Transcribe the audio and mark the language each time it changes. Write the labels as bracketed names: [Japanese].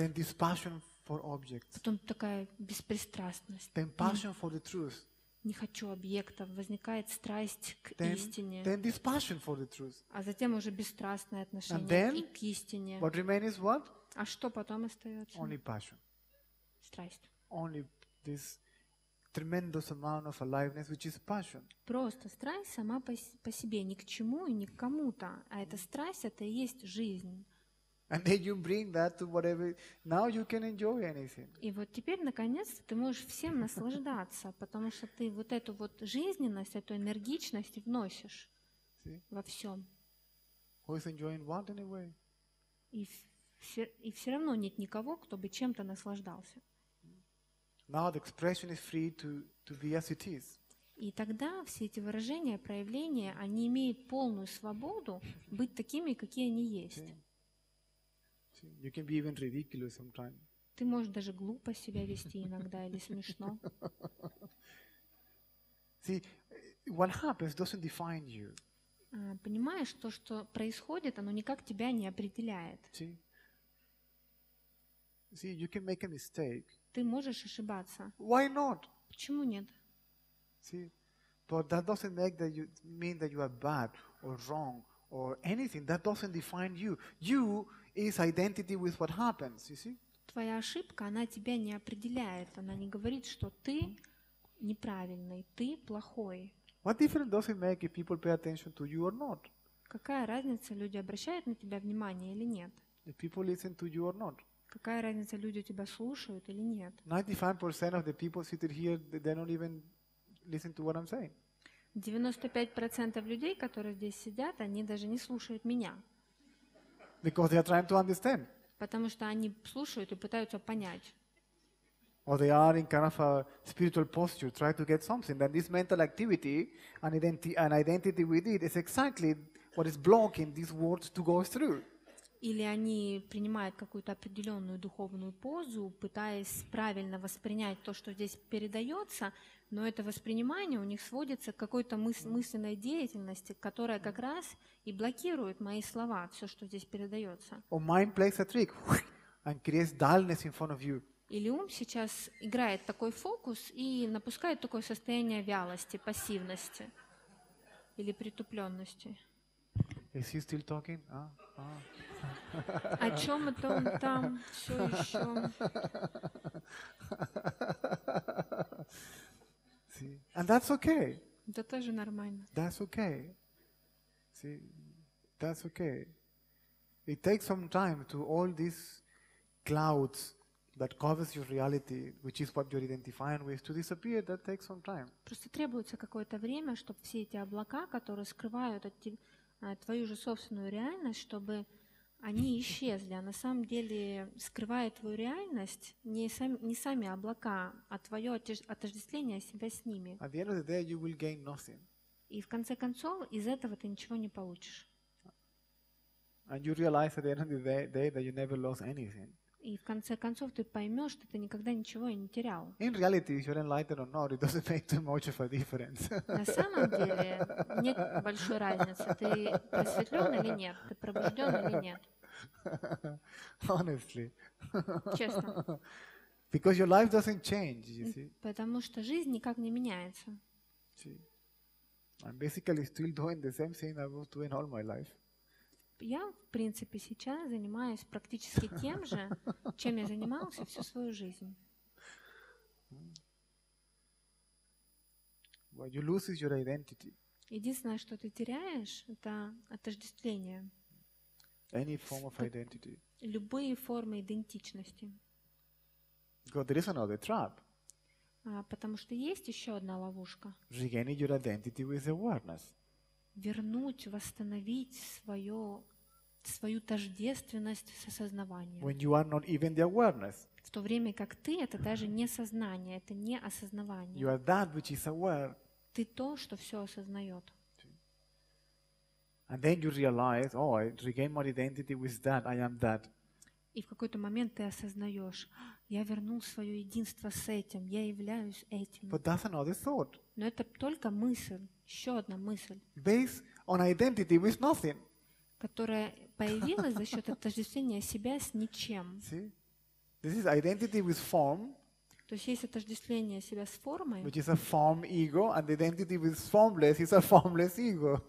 [English] Then this passion for objects. [Russian] Потом такая беспристрастность. [English] Then passion for the truth. [Russian] Не хочу объекта. Возникает страсть к истине. [English] Then this passion for the truth. [Russian] А затем уже бесстрастное отношение к истине. [English] What remains what? [Russian] А что потом остается? [English] Only passion. [Russian] Страсть. [English] Only this tremendous amount of aliveness, which is passion. [Russian] Просто страсть сама по себе, ни к чему и ни к кому-то. А эта страсть, это и есть жизнь. [English] And then you bring that to whatever. Now you can enjoy anything. [Russian] И вот теперь, наконец, ты можешь всем наслаждаться, потому что ты вот эту вот жизненность, эту энергичность вносишь во всем. [English] Who is enjoying what anyway? [Russian] И все равно нет никого, кто бы чем-то наслаждался. [English] Now the expression is free to be as it is. [Russian] И тогда все эти выражения, проявления, они имеют полную свободу быть такими, какие они есть. [English] See? See? You can be even ridiculous sometimes. [Russian] Ты можешь даже глупо себя вести иногда или смешно. [English] See, what happens doesn't define you. [Russian] Понимаешь, то, что происходит, оно никак тебя не определяет. [English] See? See, you can make a mistake. [Russian] Ты можешь ошибаться. [English] Why not? [Russian] Почему нет? [English] See, but that doesn't make that you mean that you are bad or wrong or anything. That doesn't define you. You is identity with what happens. You see? [Russian] Твоя ошибка, она тебя не определяет. Она не говорит, что ты неправильный, ты плохой. [English] What difference does it make if people pay attention to you or not? [Russian] Какая разница, люди обращают на тебя внимание или нет? [English] If people listen to you or not? [Russian] Какая разница, люди тебя слушают или нет? [English] 95% of the people sitting here, they don't even listen to what I'm saying. [Russian] 95% людей, которые здесь сидят, они даже не слушают меня. [English] Because they are trying to understand. [Russian] Потому что они слушают и пытаются понять. [English] Or they are in kind of a spiritual posture, try to get something. Then this mental activity and identity with it is exactly what is blocking these words to go through. [Russian] Или они принимают какую-то определенную духовную позу, пытаясь правильно воспринять то, что здесь передается, но это воспринимание у них сводится к какой-то мысленной деятельности, которая как раз и блокирует мои слова, все, что здесь передается. Или ум сейчас играет такой фокус и напускает такое состояние вялости, пассивности или притупленности. [English] Is he still talking? [Russian] О чем это он там все еще? [English] See? And that's okay. [Russian] Да тоже нормально. [English] That's okay. See? That's okay. It takes some time to all these clouds that covers your reality, which is what you're identifying with, to disappear. That takes some time. [Russian] Просто требуется какое-то время, чтобы все эти облака, которые скрывают от твою же собственную реальность, чтобы они исчезли. А на самом деле, скрывая твою реальность, не сами облака, а твое отождествление себя с ними. [English] At the end of the day, you will gain nothing. [Russian] И в конце концов, из этого ты ничего не получишь. [English] And you realize at the end of the day that you never lost anything. [Russian] И в конце концов, ты поймешь, что ты никогда ничего не терял. [English] In reality, if you're enlightened or not, it doesn't make too much of a difference. [Russian] На самом деле, нет большой разницы, ты просветлен или нет, ты пробужден или нет. [English] Honestly. [Russian] Честно. [English] Because your life doesn't change, you see. [Russian] Потому что жизнь никак не меняется. [English] See. I'm basically still doing the same thing I was doing all my life. [Russian] Я, в принципе, сейчас занимаюсь практически тем же, чем я занимался всю свою жизнь. [English] What you lose is your identity. [Russian] Единственное, что ты теряешь, это отождествление. [English] Any form of identity. [Russian] Любые формы идентичности. [English] Because there is another trap. [Russian] Потому что есть еще одна ловушка. [English] Regaining your identity with awareness. [Russian] Вернуть, восстановить свое свою тождественность с осознаванием. [English] When you are not even the awareness. [Russian] В то время как ты — это даже не сознание, это не осознавание. [English] You are that which is aware. [Russian] Ты то, что все осознает. [English] And then you realize, oh, I regain my identity with that, I am that. [Russian] И в какой-то момент ты осознаешь, я вернул свое единство с этим, я являюсь этим. [English] But that's another thought. [Russian] Но это только мысль, еще одна мысль. [English] Based on identity with nothing. [Russian] Которая появилась за счет отождествления себя с ничем. [English] See? This is identity with form. [Russian] То есть есть отождествление себя с формой. [English] Which is a form ego, and identity with formless is a formless ego.